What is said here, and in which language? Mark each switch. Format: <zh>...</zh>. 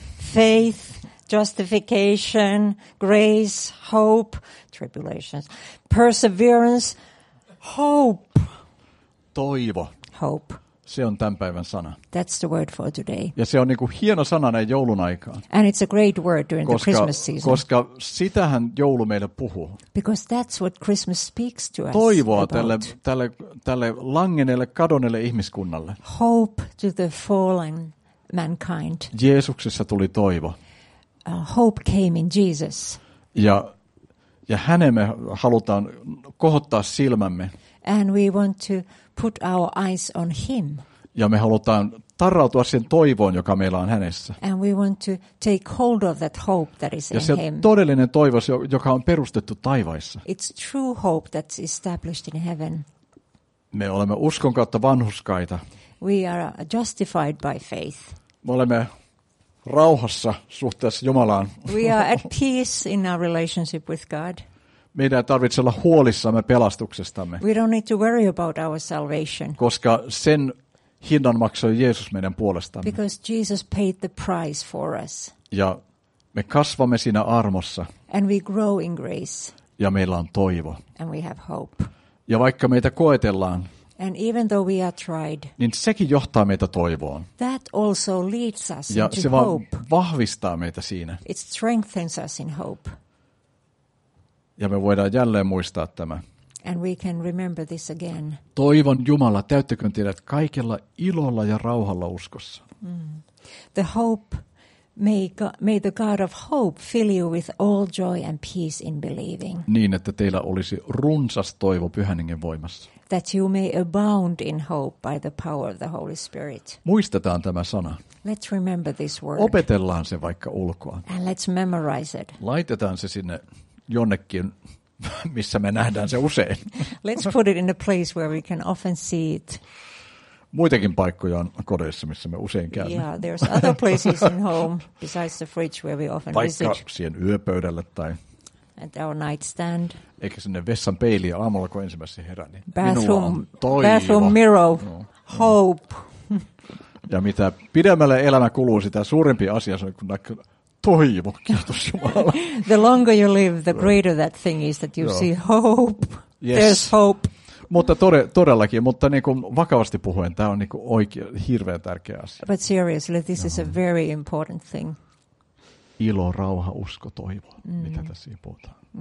<en>Faith. Justification, grace, hope, tribulations, perseverance, hope.</en> <fi>Toivo.</fi> <en>Hope.</en> <fi>Se on tämän päivän sana.</fi> <en>That's the word for today.</en> <fi>Ja se on niin kuin hieno sana näin joulun aikaan.</fi> <en>And it's a great word during the Christmas season.</en> <fi>Koska sitähän joulu meille puhuu.</fi> <en>Because that's what Christmas speaks to us about.</en> <fi>Toivoa tälle langeneelle, kadonneelle ihmiskunnalle.</fi> <en>Hope to the fallen mankind.</en> <fi>Jeesuksessa tuli toivo.</fi> <en>Hope came in Jesus.</en> <fi>Ja hänen me halutaan kohottaa silmämme.</fi> <en>And we want to put our eyes on him.</en> <fi>Ja me halutaan tarrautua sen toivoon, joka meillä on hänessä.</fi> <en>And we want to take hold of that hope that is</en> <fi>ja</fi> <en>in him.</en> <fi>Ja se todellinen toivo, joka on perustettu taivaissa.</fi> <en>It's true hope that's established in heaven.</en> <fi>Me olemme uskon kautta vanhurskaita.</fi> <en>We are justified by faith.</en> <fi>Me olemme rauhassa suhteessa Jumalaan.</fi> <en>We are at peace in our relationship with God.</en> <fi>Meidän ei tarvitse olla huolissamme pelastuksestamme.</fi> <en>We don't need to worry about our salvation.</en> <fi>Koska sen hinnan maksoi Jeesus meidän puolestamme.</fi> <en>Because Jesus paid the price for us.</en> <fi>Ja me kasvamme siinä armossa.</fi> <en>And we grow in grace.</en> <fi>Ja meillä on toivo.</fi> <en>And we have hope.</en> <fi>Ja vaikka meitä koetellaan.</fi> <en>And even though we are tried,</en> <fi>niin sekin johtaa meitä toivoon.</fi> <en>That also leads us</en> <fi>ja</fi> <en>into</en> <fi>se</fi> <en>hope.</en> <fi>Vaan vahvistaa meitä siinä.</fi> <en>It strengthens us in hope.</en> <fi>Ja me voidaan jälleen muistaa tämä.</fi> <en>And we can remember this again.</en> <fi>Toivon Jumala, täyttäköön teidät kaikella ilolla ja rauhalla uskossa.</fi> <en>The hope, may the God of hope fill you with all joy and peace in believing.</en> <fi>Niin, että teillä olisi runsas toivo Pyhän Hengen voimassa.</fi> <en>That you may abound in hope by the power of the Holy Spirit.</en> <fi>Muistetaan tämä sana.</fi> <en>Let's remember this word.</en> <fi>Opetellaan se vaikka ulkoa.</fi> <en>And let's memorize it.</en> <fi>Laitetaan se sinne jonnekin, missä me nähdään se usein.</fi> <en>Let's put it in a place where we can often see it.</en> <fi>Muitakin paikkoja on kodeissa, missä me usein käymme.</fi> <en>Yeah, there's other places in home besides the fridge where we often</en> <fi>vaikka</fi> <en>visit.</en> <fi>Vaikka siihen yöpöydälle tai</fi> <en>at our nightstand.</en> <fi>Eikä sinne vessan peiliin aamulla, kun ensimmäisen herän, niin</fi> <en>bathroom,</en> <fi>minulla on toivo.</fi> <en>Bathroom mirror, hope.</en> <fi>Ja mitä pidemmälle elämä kuluu, sitä suurempi asia on, kun toivo, kiitos Jumala.</fi> <en>The longer you live, the greater that thing is that you see hope. Yes. There's hope.</en> <fi>Mutta todellakin, mutta niin kuin vakavasti puhuen, tämä on niin kuin oikea, hirveän tärkeä asia.</fi> <en>But seriously, this is a very important thing.</en> <fi>ilo, rauha, usko, toivo, mitä tässä siinä puhutaan.</fi>